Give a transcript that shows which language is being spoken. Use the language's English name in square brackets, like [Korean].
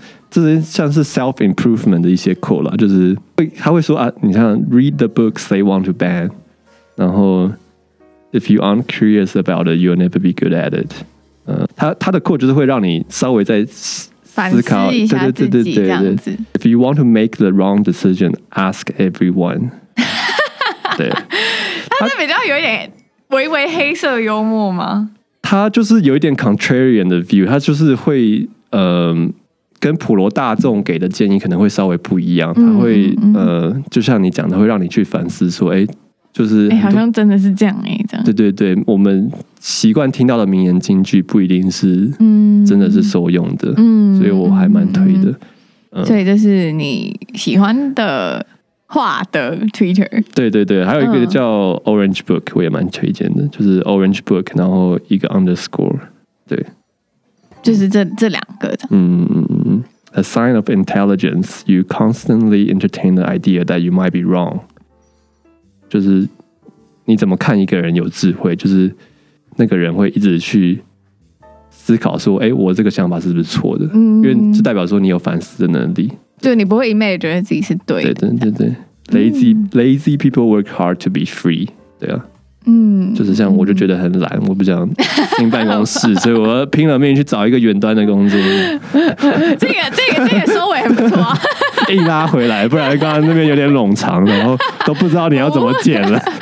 [Chinese] 这些像是 [English] self improvement [Chinese] 的一些 quote 啦，就是他会说啊，你像 [English] read the books they want to ban， [Chinese] 然后 [English] if you aren't curious about it, you'll never be good at it。 [Chinese] 他的 quote 就是会让你稍微再思考反思一下自己，对对对对对，这样子。 [English] If you want to make the wrong decision, ask everyone。 [Chinese] 对，他是比较有一点微微黑色幽默吗？他就是有一点 [English] contrarian [Chinese] 的 view， 他就是会跟普罗大众给的建议可能会稍微不一样，他会就像你讲的，会让你去反思说，哎、欸，就是、欸、好像真的是这样哎、欸，这样。对对对，我们习惯听到的名言金句不一定是真的是受用的，所以我还蛮推的。所以这是你喜欢的话的 Twitter。对对对，还有一个叫 Orange Book， 我也蛮推荐的，就是 Orange Book， 然后一个 underscore， 对。就是这两个的。 [English] A sign of intelligence, you constantly entertain the idea that you might be wrong. [Chinese] 就是你怎么看一个人有智慧，就是那个人会一直去思考说，哎、欸，我这个想法是不是错的？因为这代表说你有反思的能力。就你不会一昧觉得自己是对的。对对对对 [English] ，lazy people work hard to be free。 [Chinese] 对啊。就是像我就觉得很懒，我不想进办公室，所以我拼了命去找一个远端的工作。这个收尾很不错、啊，硬拉回来，不然刚刚那边有点冗长，然后都不知道你要怎么剪了。